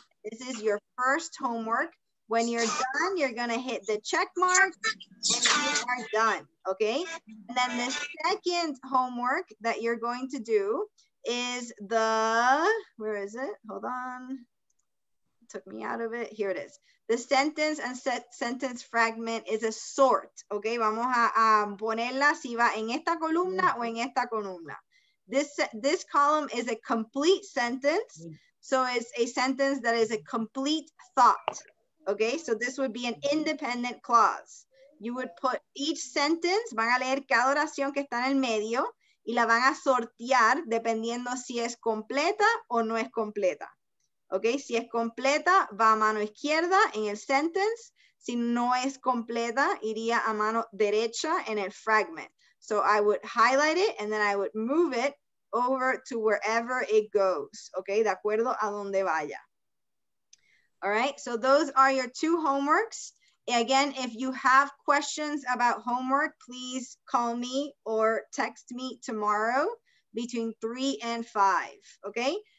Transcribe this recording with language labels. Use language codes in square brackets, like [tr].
[en] This is your first homework. When you're done, you're gonna hit the check mark, and you are done, okay? And then the second homework that you're going to do is the, where is it? Hold on, took me out of it, here it is. The sentence and sentence fragment is a sort, okay? [es] Vamos a ponerla si va en esta columna o en esta columna. [en] This column is a complete sentence. So it's a sentence that is a complete thought, okay? So this would be an independent clause. You would put each sentence, [es] van a leer cada oración que está en el medio y la van a sortear dependiendo si es completa o no es completa. Okay, si es completa, va a mano izquierda en el sentence. Si no es completa, iría a mano derecha en el fragment. [en] So I would highlight it and then I would move it over to wherever it goes. Okay, [es] de acuerdo a donde vaya. [en] All right, so those are your two homeworks. Again, if you have questions about homework, please call me or text me tomorrow between 3 and 5, okay?